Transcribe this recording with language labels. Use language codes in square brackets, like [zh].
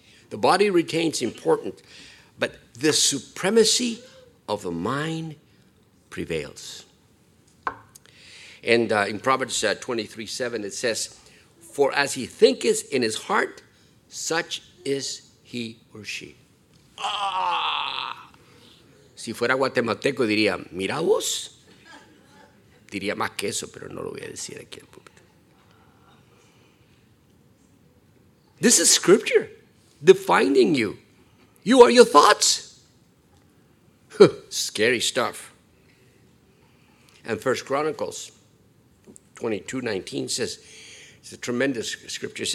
[en] The body retains importance, but the supremacy of the mind prevails. And in Proverbs 23:7, it says, for as he thinketh in his heart, such is he or she. Ah! [es] Si fuera guatemalteco, diría, mira vos. Diría más que eso, pero no lo voy a decir aquí al púlpito. [en] This is scripture defining you. You are your thoughts. Scary stuff. And 1 Chronicles 22:19 says, it's a tremendous scripture.